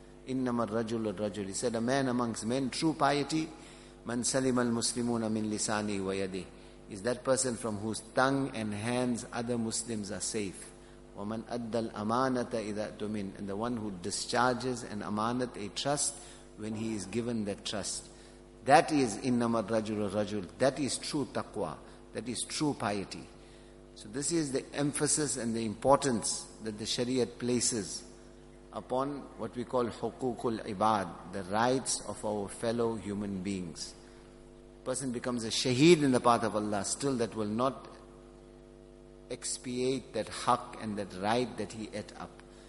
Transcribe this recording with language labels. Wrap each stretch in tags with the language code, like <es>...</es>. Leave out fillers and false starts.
<ar>Innamar rajul al-rajul.</ar> <en>He said, a man amongst men, true piety,</en> <ar>man salima al-muslimuna min lisanihi wa yadih,</ar> <en>is that person from whose tongue and hands other Muslims are safe.</en> <ar>وَمَنْ أَدَّ الْأَمَانَةَ إِذَا تُمِنْ.</ar> <en>And the one who discharges an amanat, a trust, when he is given that trust. That is</en> <ar>إِنَّمَا الرَّجُلُ الرَّجُلُ.</ar> <en>That is true taqwa. That is true piety. So this is the emphasis and the importance that the Shariat places upon what we call حُقُوقُ ibad, the rights of our fellow human beings. Person becomes a shaheed in the path of Allah, still that will not expiate that haq and that right that he ate up.</en>